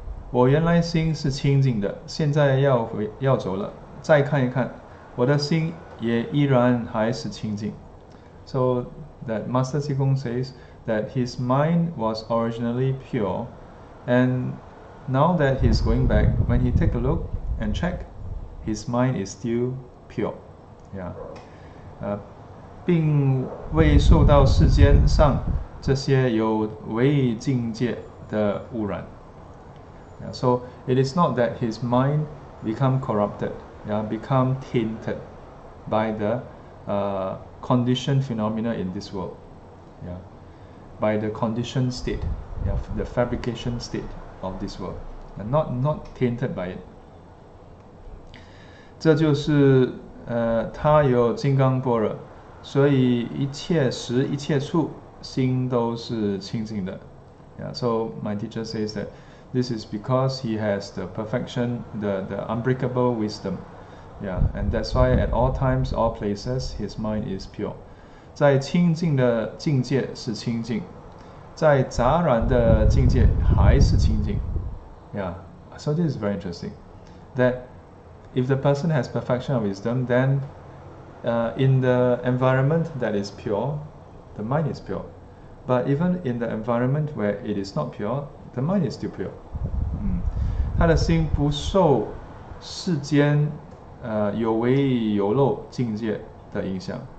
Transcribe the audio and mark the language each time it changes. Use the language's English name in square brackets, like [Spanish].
[Chinese] 我原来心是清净的，现在要走了，再看一看，我的心也依然还是清净。 [English] So that Master Qigong says that his mind was originally pure, and now that he's going back, when he take a look and check, his mind is still pure. Yeah. [Chinese] 并未受到世间上这些有违境界的污染。 [English] Yeah, so it is not that his mind become corrupted, yeah, become tainted by the conditioned phenomena in this world, yeah, by the conditioned state, yeah, the fabrication state of this world, and not tainted by it. [Chinese] 这就是他有金刚般若，所以一切时一切处心都是清净的。 [English] Yeah, so my teacher says that this is because he has the perfection, the unbreakable wisdom. Yeah, and that's why at all times, all places, his mind is pure. [Chinese] 在清净的境界是清净，在杂染的境界还是清净。 [English] Yeah, so this is very interesting. That if the person has perfection of wisdom, then in the environment that is pure, the mind is pure. But even in the environment where it is not pure, the mind is still pure. [Chinese] 他的心不受世间有为有漏境界的影响。